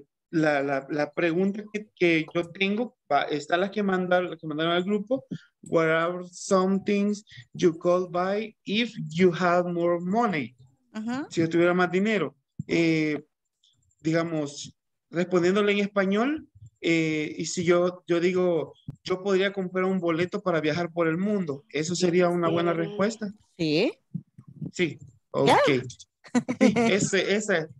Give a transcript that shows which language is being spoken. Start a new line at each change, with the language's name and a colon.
Spanish: La pregunta que yo tengo está la que mandaron al grupo.
English: What are some things you could buy if you have more money? Uh-huh.
Spanish: Si yo tuviera más dinero. Digamos, respondiéndole en español, y si yo digo, yo podría comprar un boleto para viajar por el mundo. ¿Eso sería una buena respuesta? Sí. Sí. Okay. Yeah.